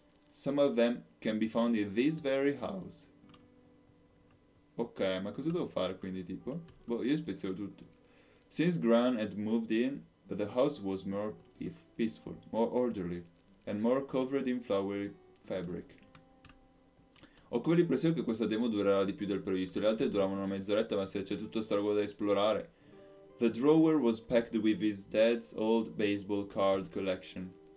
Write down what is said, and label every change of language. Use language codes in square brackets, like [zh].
[en] Some of them can be found in this very house. Ok, [it] ma cosa devo fare quindi, tipo? Boh, io spezzavo tutto. [en] Since Gran had moved in, the house was more peaceful, more orderly, and more covered in flowery fabric. [it] Ho come l'impressione che questa demo durerà di più del previsto. Le altre duravano una mezz'oretta, ma se c'è tutta sta roba da esplorare. [en] The drawer was packed with his dad's old baseball card collection.